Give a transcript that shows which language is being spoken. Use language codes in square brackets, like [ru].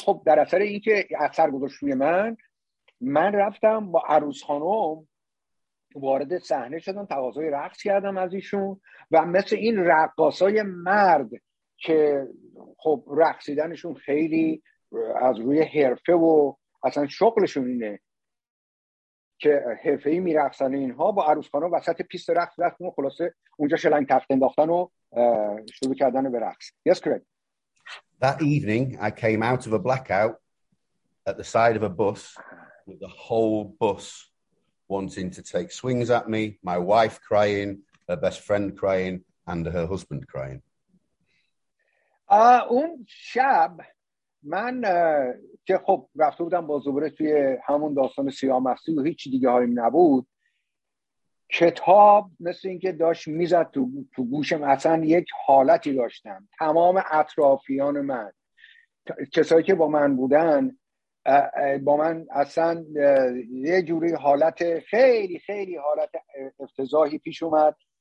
[fa] خب در اثر اینکه اثر گذاشت روی من، من رفتم با عروس خانم وارد صحنه شدم، تقاضای رقص کردم از ایشون و مثل این رقاصای مرد که خب رقصیدنشون خیلی از روی حرفه و اصلا شغلشون اینه که حرفه‌ای میرقصن، اینها با عروس خانم وسط پیست رقص رفتن و خلاصه اونجا شلنگ تخت انداختن و شروع کردن به رقص. [en] Yes, Craig. That evening, I came out of a blackout at the side of a bus with the whole bus wanting to take swings at me, my wife crying, her best friend crying, and her husband crying. [fa] اون شب من که خب رفته بودم با زبره توی همون داستان سیامستی و هیچی دیگه هایم نبود، کتاب مثل این که داشت میزد تو گوشم. اصلا یک حالتی داشتم، تمام اطرافیان من، کسایی که با من بودن با من، اصلا یه جوری حالت خیلی خیلی حالت افتضاحی پیش اومد.